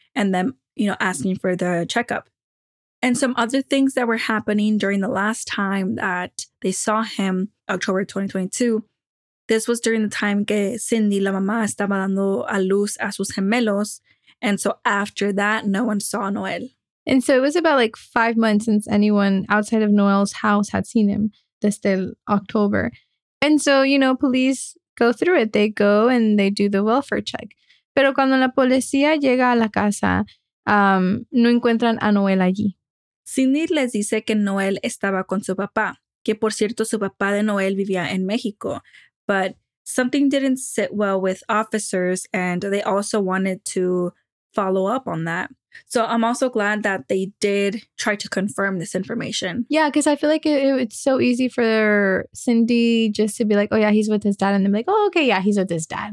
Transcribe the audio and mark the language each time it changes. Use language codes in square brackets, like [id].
[en] And them, you know, asking for the checkup. And some other things that were happening during the last time that they saw him, October 2022, this was during the time [es] que Cindy, la mamá, estaba dando a luz a sus gemelos. [en] And so after that, no one saw Noel. And so it was about like 5 months since anyone outside of Noel's house had seen him, desde October. And so, you know, police go through it. They go and they do the welfare check. [es] Pero cuando la policía llega a la casa, no encuentran a Noel allí. Cindy les dice que Noel estaba con su papá, que por cierto, su papá de Noel vivía en México. [en] But something didn't sit well with officers and they also wanted to follow up on that. So I'm also glad that they did try to confirm this information. Yeah, because I feel like it's so easy for Cindy just to be like, oh yeah, he's with his dad. And then be like, oh, okay, yeah, he's with his dad.